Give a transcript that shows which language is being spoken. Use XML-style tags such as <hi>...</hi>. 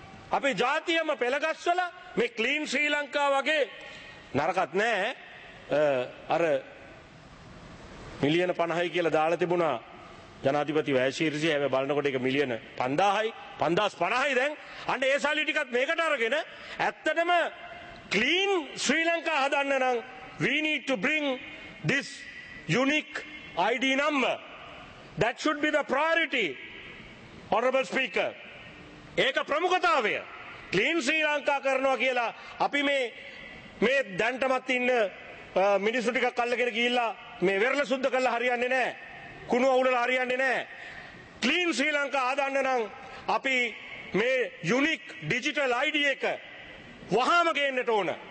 <si>අපි ජාතියම පෙළගස්සලා මේ ක්ලීන් ශ්‍රී ලංකා වගේ නරකත් නැහැ අර මිලියන 50යි කියලා දාලා තිබුණා ජනාධිපති වැයශීර්ෂය. හැබැයි බලනකොට ඒක මිලියන 5000යි 5050යි දැන්. අන්න ඒ සල්ලි ටිකත් මේකට අරගෙන ඇත්තටම ක්ලීන් ශ්‍රී ලංකා හදන්න නම්</si> <en>we need to bring this unique ID number. That should be the priority, Honorable Speaker.</en> <si>ඒක ප්‍රමුඛතාවය. ක්ලීන් ශ්‍රී ලංකා කරනවා කියලා අපි මේ දැන්ටමත් ඉන්න මිනිස්සු ටිකක් අල්ලගෙන ගිහිල්ලා මේ වෙරළ සුද්ධ කරලා හරියන්නේ නැහැ. කුණු අවුලලා හරියන්නේ නැහැ. ක්ලීන් ශ්‍රී ලංකා හදන්න නම් අපි මේ යුනික් ඩිජිටල් ID එක වහාම ගේන්නට ඕන.</si>